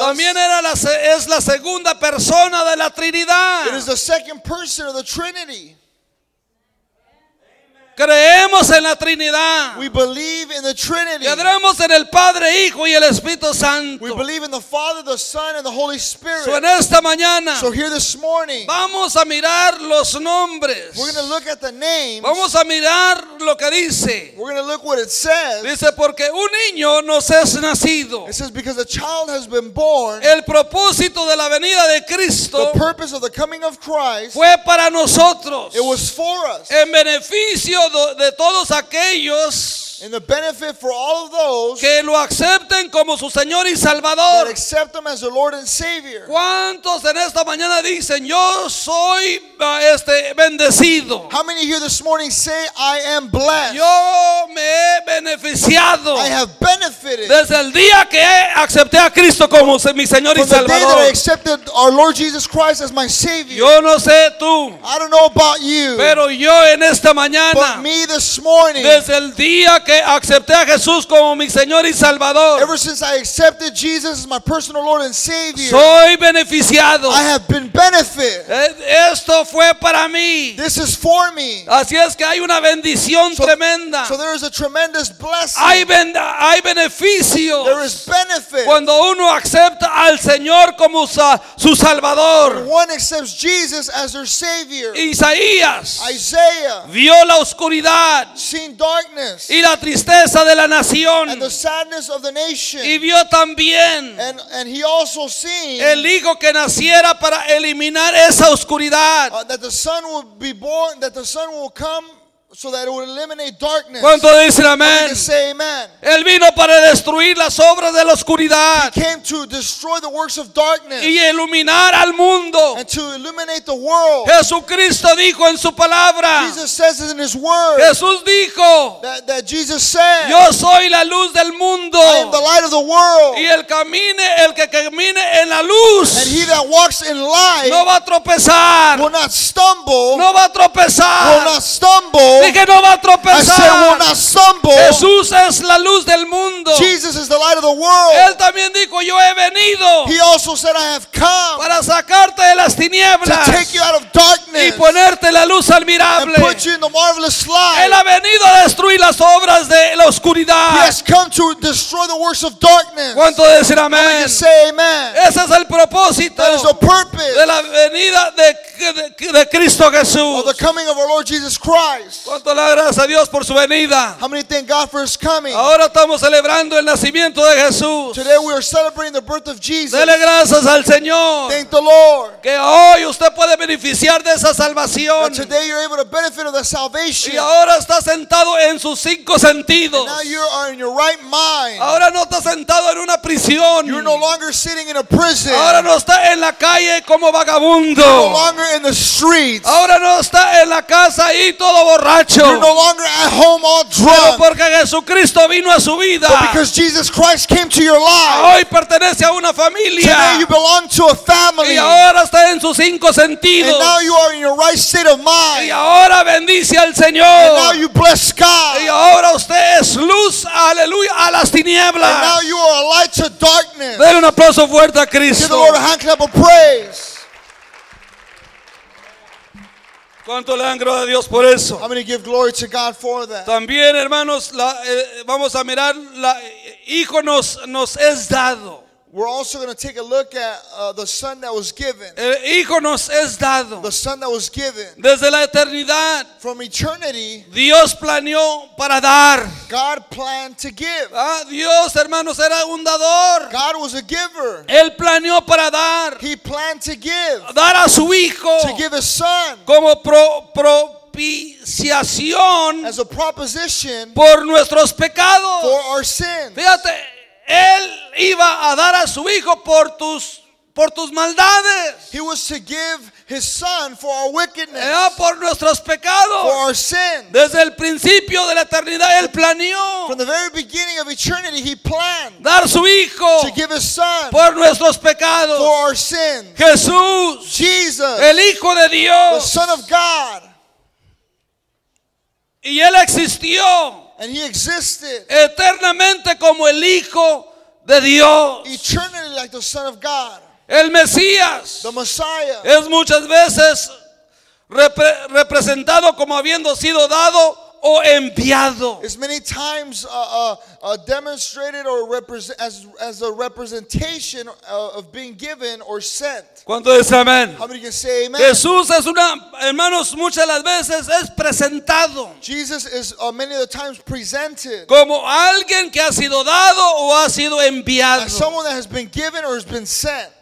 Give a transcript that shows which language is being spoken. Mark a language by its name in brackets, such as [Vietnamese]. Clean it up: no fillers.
[Spanish] también era es la segunda persona de la Trinidad. [English] It is the second person of the Trinity. [Spanish] Creemos en la Trinidad. [English] We believe in the Trinity. [Spanish] Creemos en el Padre, Hijo y el Espíritu Santo. [English] We believe in the Father, the Son, and the Holy Spirit. [Spanish] So en esta mañana, [English] so here this morning, [Spanish] vamos a mirar los nombres. [English] We're going to look at the names. [Spanish] Vamos a mirar lo que dice. [English] We're going to look what it says. [Spanish] Dice, porque un niño nos es nacido. [English] It says, because a child has been born. [Spanish] El propósito de la venida de Cristo, [English] the purpose of the coming of Christ, [Spanish] fue para nosotros. [English] It was for us. [Spanish] En beneficio de todos aquellos, [English] in the benefit for all of those, [Spanish] que lo acepten como su Señor y Salvador, [English] that accept him as the Lord and Savior. [Spanish] ¿Cuántos en esta mañana dicen yo soy bendecido? [English] How many here this morning say I am blessed? [Spanish] Yo me he beneficiado. [English] I have benefited. [Spanish] Desde el día que acepté a Cristo como mi Señor y Salvador. [English] From the day that I accepted our Lord Jesus Christ as my Savior. [Spanish] Yo no sé tú. [English] I don't know about you. [Spanish] Pero yo en esta mañana. [English] But me this morning. [Spanish] Desde el día que acepté a Jesús como mi Señor y Salvador. [English] Ever since I accepted Jesus as my personal Lord and Savior. [Spanish] Soy beneficiado. [English] I have been benefited. [Spanish] Esto fue para mí. [English] This is for me. [Spanish] Así es que hay una bendición tremenda. [English] So there is a tremendous blessing. [Spanish] Hay beneficios. [English] There is benefit. [Spanish] Cuando uno acepta al Señor como su Salvador. [English] When one accepts Jesus as their Savior. [Spanish] Isaías. [English] Isaiah. [Spanish] Vio la oscuridad. [English] Seen darkness. [Spanish] Y la tristeza de la nación. [English] And the sadness of the nation. [Spanish] Y vio también. [English] And he also seen. [Spanish] El hijo que naciera para eliminar esa oscuridad. [English] That the son would be born. That the son will come. So that it would eliminate darkness. [Spanish] ¿Cuánto dicen amén? [English] Say amen. [Spanish] Él vino para destruir las obras de la oscuridad. [English] He came to destroy the works of darkness. [Spanish] Y iluminar al mundo. [English] And to illuminate the world. [Spanish] Jesucristo dijo en su palabra. [English] Jesus says it in his word. [Spanish] Jesús dijo. [English] That Jesus said. [Spanish] Yo soy la luz del mundo. [English] I am the light of the world. [Spanish] Y el que camine en la luz. [English] And he that walks in light. [Spanish] No va a tropezar. [English] Will not stumble. [Spanish] No va a tropezar. [English] Will not stumble. [Spanish] Dije, no va a tropezar. [English] I said, will not stumble. [Spanish] Jesús es la luz del mundo. [English] Jesus is the light of the world. [Spanish] Él también dijo, yo he venido. [English] He also said, I have come. [Spanish] Para sacarte de las tinieblas. [English] To take you out of darkness. [Spanish] Y ponerte la luz admirable. [English] And put you in the marvelous light. [Spanish] Él ha venido a destruir las obras de la oscuridad. [English] He has come to destroy the works of darkness. [Spanish] ¿Cuánto decir amén? [English] How many say amen? [Spanish] Ese es el propósito. [English] That is the purpose. [Spanish] De la venida de Cristo Jesús. [English] Of the coming of our Lord Jesus Christ. [Spanish] ¿Cuánto le agradece a Dios por su venida? [English] How many thank God for his coming? [Spanish] Ahora estamos celebrando el nacimiento de Jesús. [English] Today we are celebrating the birth of Jesus. [Spanish] Dele gracias al Señor. [English] Thank the Lord. [Spanish] Que hoy usted puede beneficiar de esa salvación. [English] That today you're able to benefit of the salvation. [Spanish] Y ahora está sentado en sus cinco sentidos. [English] And now you are in your right mind. [Spanish] Ahora no está sentado en una prisión. [English] You're no longer sitting in a prison. [Spanish] Ahora no está en la calle como vagabundo. [English] You're no longer in the streets. [Spanish] Ahora no está en la casa y todo borracho. [English] You're no longer at home all drunk. [Spanish] Pero porque Jesucristo vino a su vida. [English] But because Jesus Christ came to your life. [Spanish] Hoy pertenece a una familia. [English] Today you belong to a family. [Spanish] Y ahora está en sus cinco sentidos. [English] And now you are in your right state of mind. [Spanish] Y ahora bendice al Señor. [English] And now you bless God. [Spanish] Y ahora usted es luz, aleluya, a las tinieblas. [English] And now you are a light to darkness. [Spanish] Dale un aplauso fuerte a Cristo. [English] Give the Lord a hand clap of praise. [Spanish] ¿Cuánto le dan gloria a Dios por eso? [English] I'm going to give glory to God for that. [Spanish] También, hermanos, vamos a mirar, hijo nos es dado. [English] We're also going to take a look at the son that was given. [Spanish] El hijo nos es dado. [English] The son that was given. [Spanish] Desde la eternidad. [English] From eternity. [Spanish] Dios planeó para dar. [English] God planned to give. [Spanish] Ah, Dios, hermanos, era un dador. [English] God was a giver. [Spanish] Él planeó para dar. [English] He planned to give. [Spanish] Dar a su hijo. [English] To give his son. [Spanish] Como propiciación. [English] As a proposition. [Spanish] Por nuestros pecados. [English] For our sins. [Spanish] Fíjate. Él iba a dar a su hijo por tus maldades. [English] He was to give his son for our wickedness. [Spanish] Era por nuestros pecados. [English] For our sins. [Spanish] Desde el principio de la eternidad él planeó. [English] From the very beginning of eternity he planned. [Spanish] Dar su hijo. [English] To give his son. [Spanish] Por nuestros pecados. [English] For our sins. [Spanish] Jesús. [English] Jesus. [Spanish] El hijo de Dios. [English] The son of God. [Spanish] Y él existió. [English] And he existed [Spanish] eternamente como el hijo de Dios. [English] Eternally like the son of God. [Spanish] El Mesías. [English] The Messiah. [Spanish] Es muchas veces representado como habiendo sido dado o enviado. [English] It's many times demonstrated or as a representation of being given or sent. [Spanish] ¿Cuánto dice amén? [English] How many can say amen? [Spanish] Jesús es una, hermanos, muchas las veces es presentado. [English] Jesus is many of the times presented. [Spanish] Como alguien que ha sido dado o ha sido enviado. [English] As someone that has been given or has been sent.